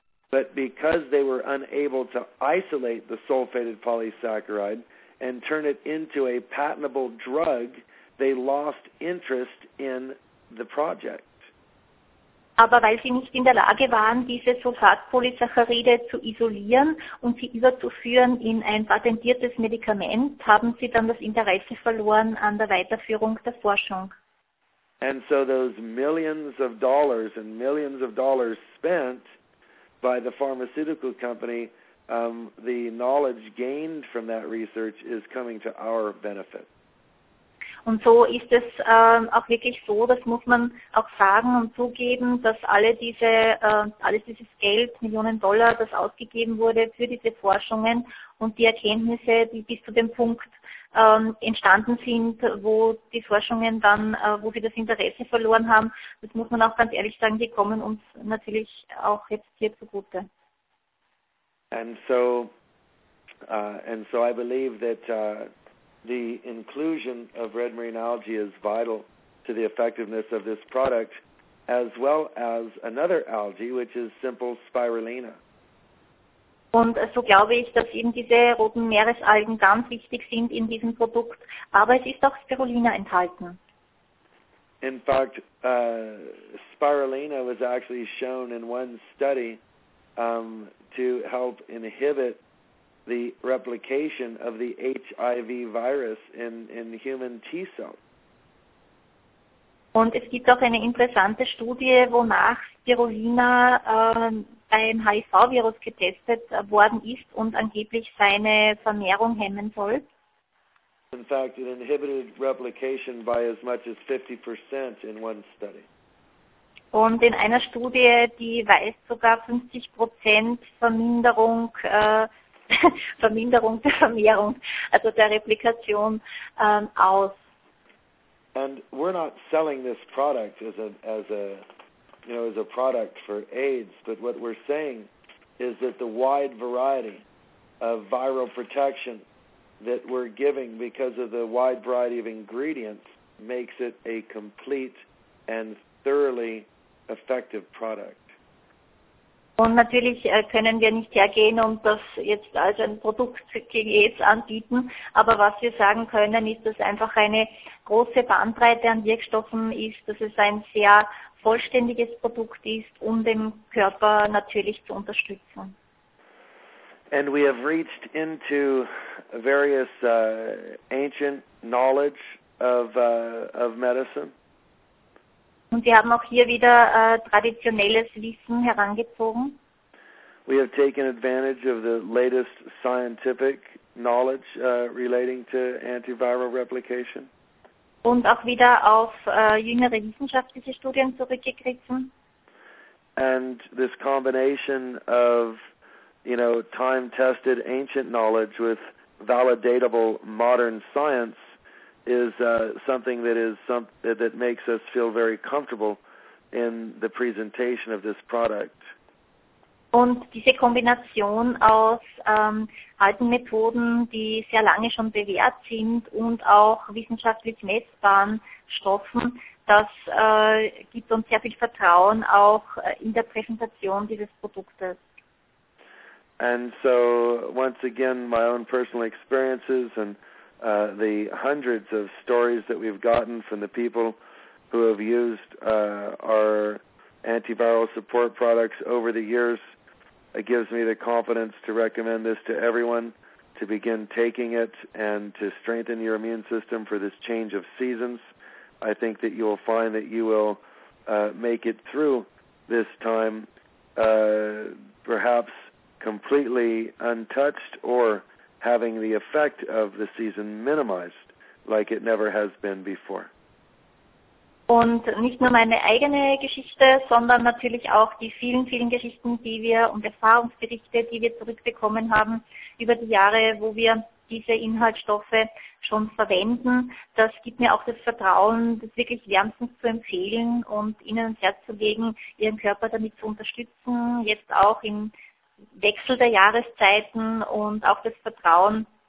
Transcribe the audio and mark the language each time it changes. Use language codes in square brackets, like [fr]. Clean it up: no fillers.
[en] But because they were unable to isolate the sulfated polysaccharide and turn it into a patentable drug, they lost interest in the project. [de] Aber weil sie nicht in der Lage waren, diese Sulfatpolysaccharide zu isolieren und sie überzuführen in ein patentiertes Medikament, haben sie dann das Interesse verloren an der Weiterführung der Forschung. [en] And so those millions of dollars and millions of dollars spent by the pharmaceutical company, the knowledge gained from that research is coming to our benefit. [de] Und so ist es auch wirklich so, das muss man auch sagen und zugeben, dass alles dieses Geld, Millionen Dollar, das ausgegeben wurde für diese Forschungen und die Erkenntnisse, die bis zu dem Punkt entstanden sind, wo die Forschungen dann, wo sie das Interesse verloren haben, das muss man auch ganz ehrlich sagen, die kommen uns natürlich auch jetzt hier zugute. [en] And so I believe that the inclusion of red marine algae is vital to the effectiveness of this product, as well as another algae, which is simple spirulina. [de] Und so glaube ich, dass eben diese roten Meeresalgen ganz wichtig sind in diesem Produkt, aber es ist auch Spirulina enthalten. [en] In fact, spirulina was actually shown in one study to help inhibit the replication of the HIV virus in human T-cells. [de] Und es gibt auch eine interessante Studie, wonach Spirulina beim HIV-Virus getestet worden ist und angeblich seine Vermehrung hemmen soll. [en] In fact, it inhibited replication by as much as 50% in one study. [de] Und in einer Studie, die weist sogar 50% Verminderung der Vermehrung, also der Replikation aus. [en] And we're not selling this product as a product for AIDS, but what we're saying is that the wide variety of viral protection that we're giving because of the wide variety of ingredients makes it a complete and thoroughly effective product. [de] Und natürlich können wir nicht hergehen und das jetzt als ein Produkt gegen AIDS anbieten, aber was wir sagen können, ist, dass einfach eine große Bandbreite an Wirkstoffen ist, dass es ein sehr vollständiges Produkt ist, um den Körper natürlich zu unterstützen. [en] And we have reached into various ancient knowledge of medicine. [de] Und wir haben auch hier wieder traditionelles Wissen herangezogen. [en] We have taken advantage of the latest scientific knowledge relating to antiviral replication. [de] Und auch wieder auf jüngere wissenschaftliche Studien zurückgegriffen. [en] and this combination of, you know, time-tested ancient knowledge with validatable modern science is something that is that makes us feel very comfortable in the presentation of this product. [de] Und diese Kombination aus alten Methoden, die sehr lange schon bewährt sind und auch wissenschaftlich messbaren Stoffen, das gibt uns sehr viel Vertrauen auch in der Präsentation dieses Produktes. [en] And so, once again, my own personal experiences and the hundreds of stories that we've gotten from the people who have used our antiviral support products over the years, it gives me the confidence to recommend this to everyone to begin taking it and to strengthen your immune system for this change of seasons. I think that you will find that you will make it through this time perhaps completely untouched or having the effect of the season minimized like it never has been before. [de] Und nicht nur meine eigene Geschichte, sondern natürlich auch die vielen, vielen Geschichten, die wir und Erfahrungsberichte, die wir zurückbekommen haben über die Jahre, wo wir diese Inhaltsstoffe schon verwenden. Das gibt mir auch das Vertrauen, das wirklich wärmstens zu empfehlen und Ihnen ans Herz zu legen, Ihren Körper damit zu unterstützen, jetzt auch im Wechsel der Jahreszeiten und auch das Vertrauen,